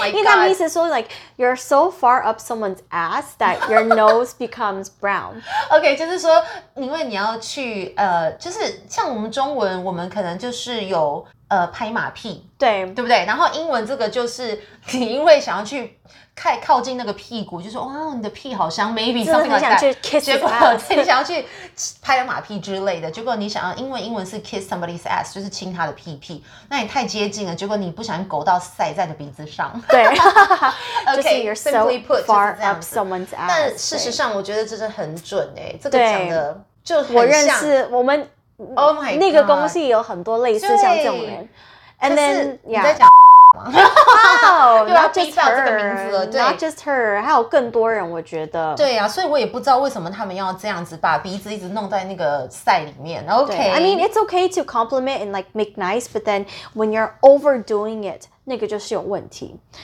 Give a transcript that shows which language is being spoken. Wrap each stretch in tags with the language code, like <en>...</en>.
<zh>因为他们意思说</zh> <en>like you're so far up someone's ass that your nose becomes brown，</en> <zh>OK， 就是说因为你要去就是像我们中文我们可能就是有拍马屁，对，对不对？然后英文这个就是你因为想要去靠近那个屁股，就说哇、哦，你的屁好香 ，</zh> <en>maybe something like that。</en> <zh>结果你想要去拍马屁之类的，结果你想要英文是</zh> <en>kiss somebody's ass，</en> <zh>就是亲他的屁屁，那你太接近了，结果你不小心勾到塞在你的鼻子上。对，OK， 就是</zh> <en>you're so simply put far up someone's ass。</en> <zh>但事实上，我觉得这是很准诶、欸，这个讲的就很像我认识我们。</zh> <en>Oh my God.</en> <zh>那个公司也有很多类似像这种人。</zh> <en>And then, yeah.</en> <zh>你在讲 X 吗？又要逼掉这个名字了，对。</zh> <en>Not just her,</en> <zh>还有更多人我觉得。对啊，所以我也不知道为什么他们要这样子把鼻子一直弄在那个塞里面。</zh> <en>Okay. I mean, it's okay to compliment and like make nice, but then when you're overdoing it,</en> <zh>那个就是有问题。</zh>